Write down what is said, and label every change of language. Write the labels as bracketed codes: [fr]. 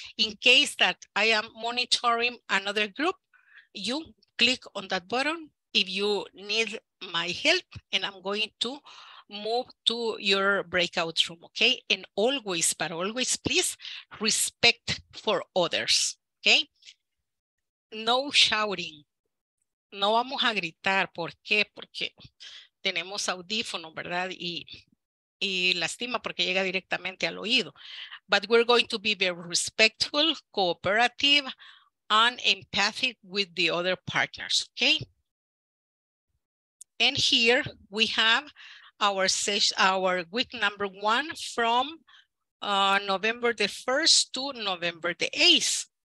[en] In case that I am monitoring another group, you click on that button if you need my help, and I'm going to move to your breakout room, okay? And always, but always, please, respect for others, okay? No shouting. [es] No vamos a gritar. ¿Por qué? Porque tenemos audífonos, ¿verdad? Y lastima porque llega directamente al oído. [en] but we're going to be very respectful, cooperative, and empathic with the other partners, okay? And here we have our session, our week number one from November the 1st to November the 8th.